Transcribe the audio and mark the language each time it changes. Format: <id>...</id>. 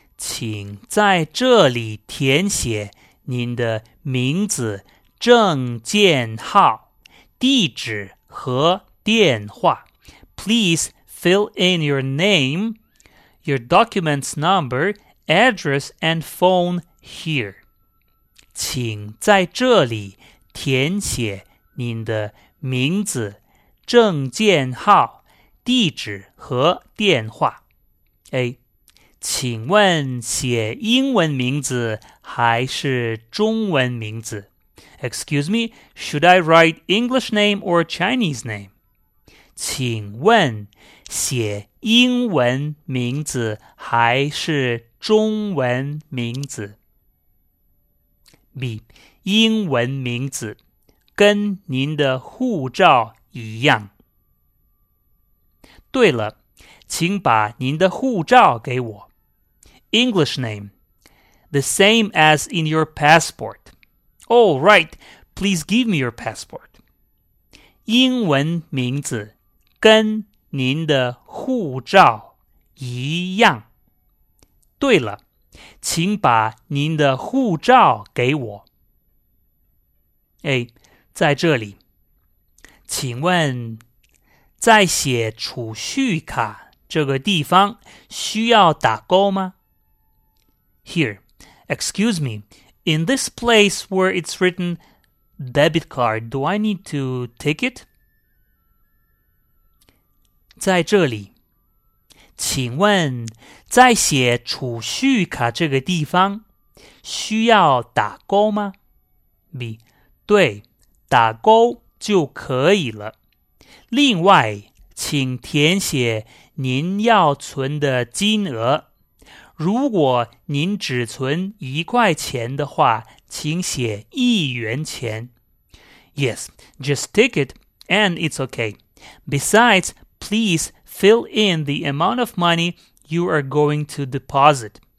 <zh>请在这里填写您的名字证件号、地址和电话。</zh> <en>Please fill in your name, your document's number, address and phone here.</en> <zh>请在这里填写您的名字、证件号、地址和电话。</zh> <en>A.</en> <zh>请问写英文名字还是中文名字？</zh> <en>Excuse me, should I write English name or Chinese name?</en> <zh>请问写英文名字还是中文名字?</zh> <en>B.</en> <zh>英文名字跟您的护照一样。对了，请把您的护照给我。</zh> <en>English name, the same as in your passport. All right, please give me your passport.</en> <zh>英文名字跟您的护照一样。对了，请把您的护照给我。 A, 在这里。请问，在写储蓄卡这个地方需要打勾吗?</zh> <en>Here, excuse me, In this place where it's written debit card, do I need to take it?</en> <zh>在这里，请问在写储蓄卡这个地方需要打勾吗？ B. 对，打勾就可以了。另外，请填写您要存的金额。如果您只存一块钱的话，请写一元钱。</zh> <en>Yes, just take it and it's okay. Besides, please fill in the amount of money you are going to deposit.</en>